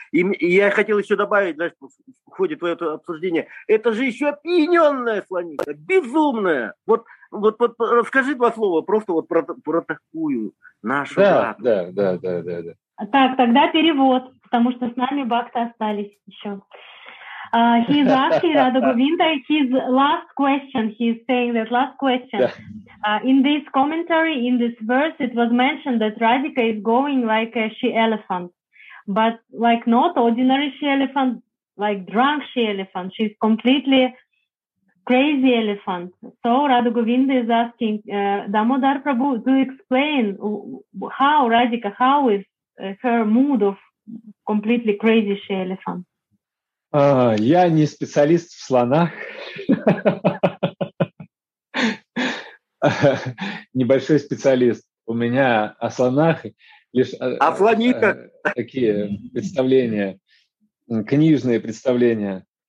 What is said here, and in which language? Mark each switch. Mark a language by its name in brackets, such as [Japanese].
[Russian] И я хотел еще добавить, знаешь, в ходе твоего обсуждения, это же еще опьяненная слониха, безумная. Вот, расскажи два слова просто вот про такую нашу да, жадность. Да. Так, тогда перевод, потому что с нами Бхакта остались еще. [English] He is asking Radha Govinda his last question. He is saying that last question. In this commentary, in this verse, it was mentioned that Radhika is going like a she-elephant, but like not ordinary she-elephant, like drunk she-elephant. She's completely crazy elephant. So Radha Govinda is asking Damodar Prabhu to explain how Radhika, how is her mood of completely crazy she elephant. [Russian] Я не специалист в слонах. Небольшой специалист. У меня о слонах лишь о слониках такие представления, книжные представления.